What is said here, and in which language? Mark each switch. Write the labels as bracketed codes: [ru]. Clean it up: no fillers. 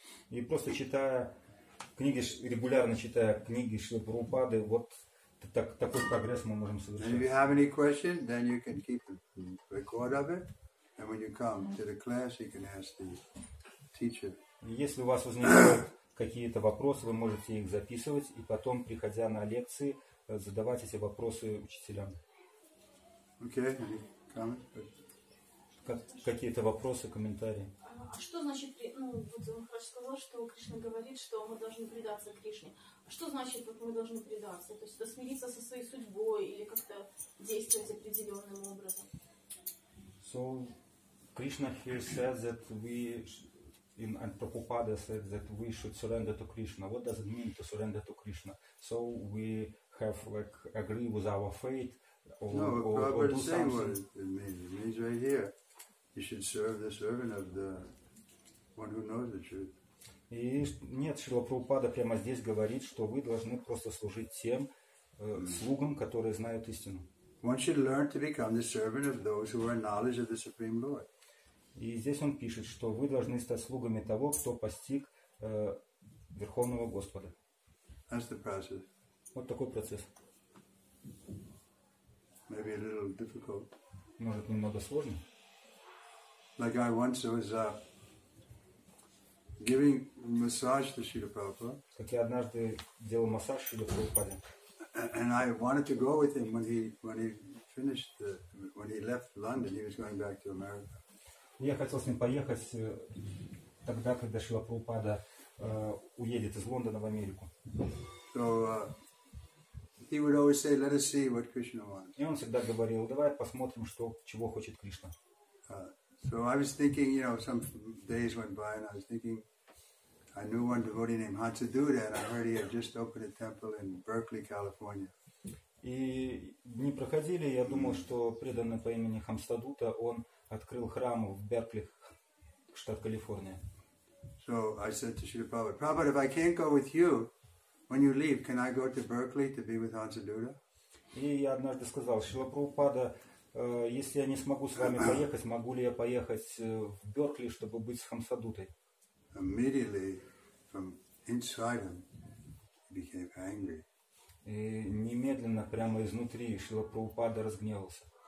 [ru] И просто читая книги, регулярно читая книги Шрилы Прабхупады, вот такой прогресс мы можем совершить. [en] If you have any questions, then you can keep a record of it. And when you come to the class, you can ask the teacher. [ru] Если у вас возникают какие-то вопросы, вы можете их записывать и потом, приходя на лекции, задавать эти вопросы учителям. [en] Okay, any comments? [ru] Какие-то вопросы, комментарии? А что значит, вот он хорошо сказал, что Кришна говорит, что мы должны предаться Кришне. А что значит, вот мы должны предаться? То есть это смириться со своей судьбой или как-то действовать определенным образом? [en] So, Krishna here says that Prabhupada said that we should surrender to Krishna. What does it mean to surrender to Krishna? So we have like agree with our fate or do something. No, Prabhupada is saying what it means. It means right here. You should serve the servant of the one who knows the truth. [ru] И нет, Шрила Прабхупада прямо здесь говорит, что вы должны просто служить тем слугам, которые знают истину. [en] One should learn to become the servant of those who are in knowledge of the Supreme Lord. [ru] И здесь он пишет, что вы должны стать слугами того, кто постиг Верховного Господа. [en] That's the process. [ru] Вот такой процесс. [en] Maybe a little difficult. [ru] Может, немного сложно. [en] Like I once was giving massage to Srila Prabhupada. [ru] Как я однажды делал массаж Шриле Прабхупаде. [en] And I wanted to go with him when he left London, he was going back to America. [ru] Я хотел с ним поехать тогда, когда Шрила Прабхупада уедет из Лондона в Америку. [en] So he would always say, "Let us see what Krishna wants." [ru] И он всегда говорил, давай посмотрим, что чего хочет Кришна. [en] So I was thinking, you know, some days went by, and I was thinking, I knew one devotee named Hansaduda, and I heard he had just opened a temple in Berkeley, California. [ru] И дни проходили, я думал, что преданный по имени Хамсадута, он открыл храм в Беркли, штат Калифорния. [en] So I said to Srila Prabhupada, Prabhupada, if I can't go with you, when you leave, can I go to Berkeley to be with Hansaduda? [ru] И я однажды сказал, Шрила Прабхупада, если я не смогу с вами поехать, могу ли я поехать в Беркли, чтобы быть с Хамсадутой? [en] Immediately, from inside him, he became angry. [ru] И немедленно, прямо изнутри, Шрила Прабхупада разгневался.